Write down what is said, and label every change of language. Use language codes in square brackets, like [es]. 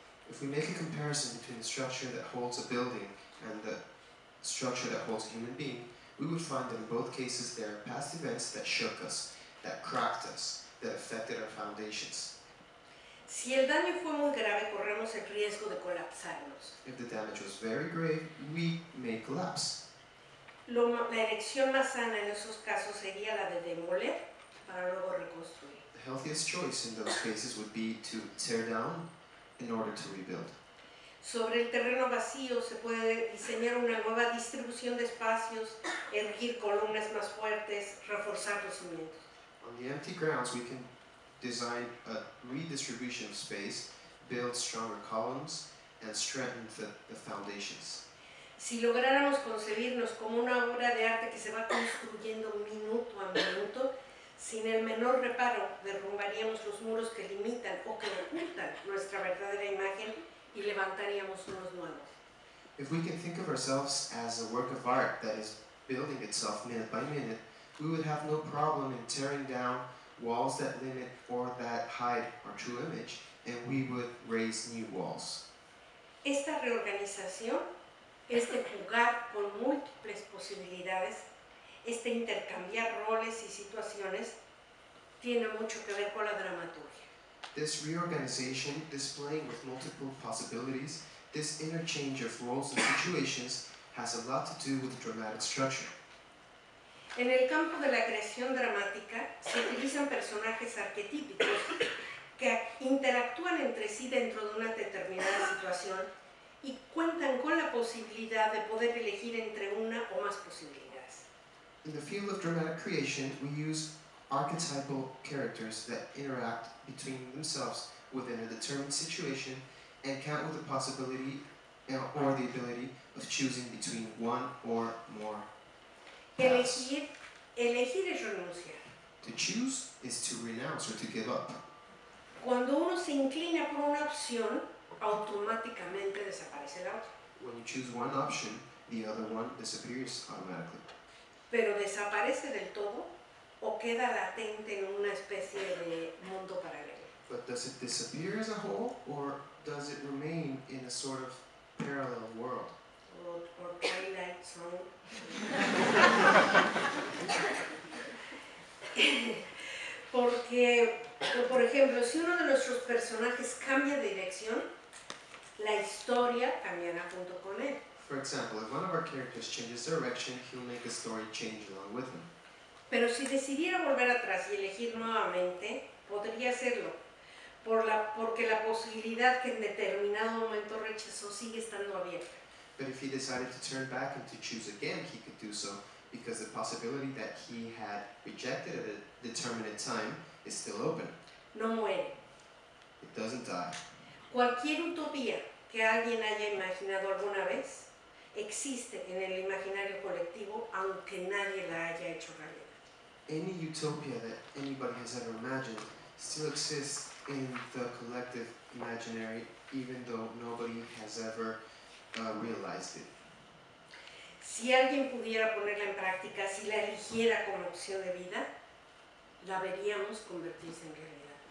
[en] If we make a comparison between the structure that holds a building and the structure that holds a human being, we would find that in both cases there are past events that shook us, that cracked us, that affected our foundations. [es] Si el daño fue muy grave, corremos el riesgo de colapsarnos. [en] If the damage was very grave, we may collapse. [es] La elección más sana en esos casos sería la de demoler para luego reconstruir. [en] The healthiest choice in those cases would be to tear down in order to rebuild. [es] Sobre el terreno vacío se puede diseñar una nueva distribución de espacios, erigir columnas más fuertes, reforzar los cimientos. [en] On the empty grounds we can design a redistribution of space, build stronger columns, and strengthen the foundations. [es] Si lográramos concebirnos como una obra de arte que se va construyendo minuto a minuto, sin el menor reparo, derrumbaríamos los muros que limitan o que ocultan nuestra verdadera imagen y levantaríamos unos nuevos. [en] If we can think of ourselves as a work of art that is building itself minute by minute, we would have no problem in tearing down walls that limit or that hide our true image, and we would raise new walls. [es] Esta reorganización, este jugar con múltiples posibilidades, este intercambiar roles y situaciones, tiene mucho que ver con la dramaturgia. [en] This reorganization, this playing with multiple possibilities, this interchange of roles and situations, has a lot to do with the dramatic structure. [es] En el campo de la creación dramática, se utilizan personajes arquetípicos que interactúan entre sí dentro de una determinada situación y cuentan con la posibilidad de poder elegir entre una o más posibilidades. [en] In the field of dramatic creation, we use archetypal characters that interact between themselves within a determined situation and count with the possibility or the ability of choosing between one or more paths. [es] Elegir es renunciar. [en] To choose is to renounce or to give up. [es] Cuando uno se inclina por una opción, automáticamente desaparece la otra. [en] When you choose one option, the other one disappears automatically. [es] Pero desaparece del todo o queda latente en una especie de mundo paralelo. [en] But does it disappear as a whole or does it remain in a sort of parallel world? Or twilight zone. [es] Porque, por ejemplo, si uno de nuestros personajes cambia de dirección, la historia cambiará junto con él. [en] For example, if one of our characters changes direction, he'll make a story change along with him. [es] Pero si decidiera volver atrás y elegir nuevamente, podría hacerlo. Porque la posibilidad que en determinado momento rechazó sigue estando abierta. [en] But if he decided to turn back and to choose again, he could do so. Because the possibility that he had rejected at a determinate time is still open. [es] No muere. [en] It doesn't die. [es] Cualquier utopía que alguien haya imaginado alguna vez existe en el imaginario colectivo, aunque nadie la haya hecho realidad. [en] Any utopia that anybody has ever imagined still exists in the collective imaginary, even though nobody has ever realized it. [es] Si alguien pudiera ponerla en práctica, si la eligiera como opción de vida, la veríamos convertirse en realidad.